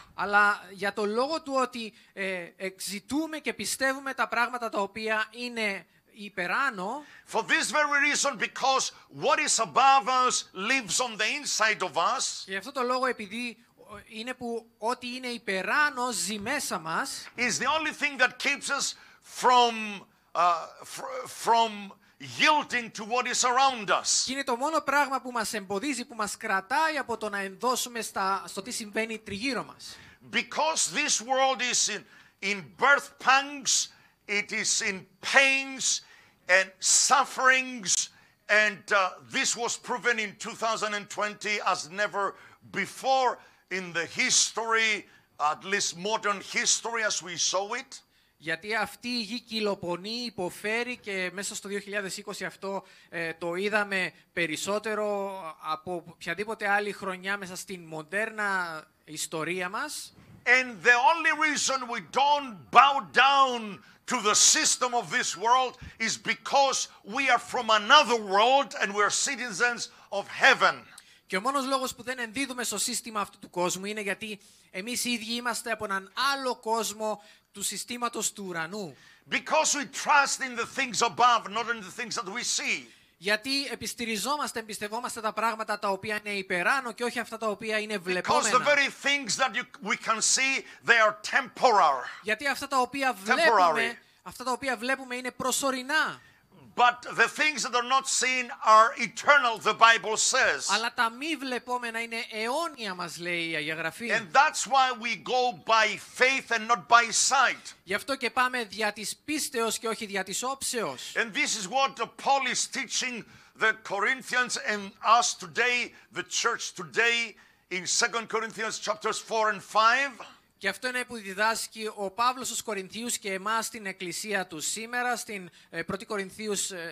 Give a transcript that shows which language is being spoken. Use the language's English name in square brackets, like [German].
[Greek] αλλά για το λόγο του ότι εξητούμε και πιστεύουμε τα πράγματα τα οποία είναι υπεράνω, [English] for this very reason, because what is above us lives on the inside of us. [Greek] Για αυτό το λόγο, επειδή είναι που ό,τι είναι υπεράνω ζει μέσα μας, [English] is the only thing that keeps us from yielding to what is around us. [Greek] Είναι το μόνο πράγμα που μας εμποδίζει, που μας κρατάει από το να ενδώσουμε στο τι συμβαίνει τριγύρω μας. [English] Because this world is in birth pangs. It is in pains and sufferings, and this was proven in 2020 as never before in the history, at least modern history, as we saw it. [Greek] Γιατί αυτή η γη κυλοπονεί, υποφέρει και μέσα στο 2020 αυτό το είδαμε περισσότερο από οποιαδήποτε άλλη χρονιά μέσα στην μοντέρνα ιστορία μας. [English] And the only reason we don't bow down to the system of this world is because we are from another world and we are citizens of heaven. [Greek] Και ο μόνος λόγος που δεν ενδίδουμε στο σύστημα αυτού του κόσμου είναι γιατί εμείς οι ίδιοι είμαστε από έναν άλλο κόσμο του συστήματος του ουρανού. [English] Because we trust in the things above, not in the things that we see. [Greek] Γιατί εμπιστευόμαστε τα πράγματα τα οποία είναι υπεράνω και όχι αυτά τα οποία είναι βλεπόμενα. [English] Because the very things that we can see, they are temporary. [Greek] Γιατί αυτά τα οποία βλέπουμε, είναι προσωρινά. [English] But the things that are not seen are eternal, the Bible says. [Greek] Αλλά τα μη βλεπόμενα είναι αιώνια, μας λέει η Αγία Γραφή. [English] And that's why we go by faith and not by sight. [Greek] Γι' αυτό και πάμε δια της πίστεως και όχι δια της όψεως. [English] And this is what Paul is teaching the Corinthians and us today, the church today, in 2 Corinthians chapters 4 and 5. [Greek] Και αυτό είναι που διδάσκει ο Παύλος στους Κορινθίους και εμάς στην εκκλησία του σήμερα, στην 2 Κορινθίους,